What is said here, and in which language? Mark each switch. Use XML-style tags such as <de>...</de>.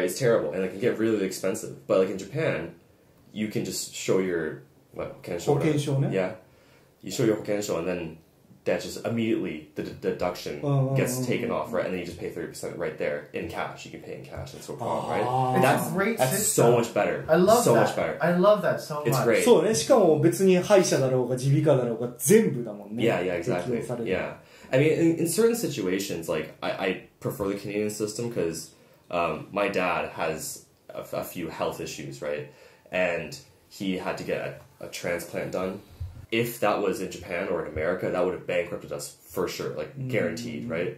<en>It's terrible and it can get really, really expensive. But like in Japan, you can just show your, what, 保険証</en> <ja>ね?</ja> <en>Yeah. You show your 保険証 and then,That just immediately the deduction gets taken off, right? And then you just pay 30% right there in cash. You can pay in cash and so on, right? It's that's a great that's system. So much better. I love so that. Much better. I love that so much. It's great.</en> <ja>そうね。しかも別に歯医者だろうが耳鼻科だろうが全部だもんね。</ja> <en>Yeah, yeah, exactly. Yeah. I mean, in certain situations, like I prefer the Canadian system because my dad has a few health issues, right? And he had to get a transplant done. If that was in Japan or in America, that would have bankrupted us for sure, like guaranteed, right?</en>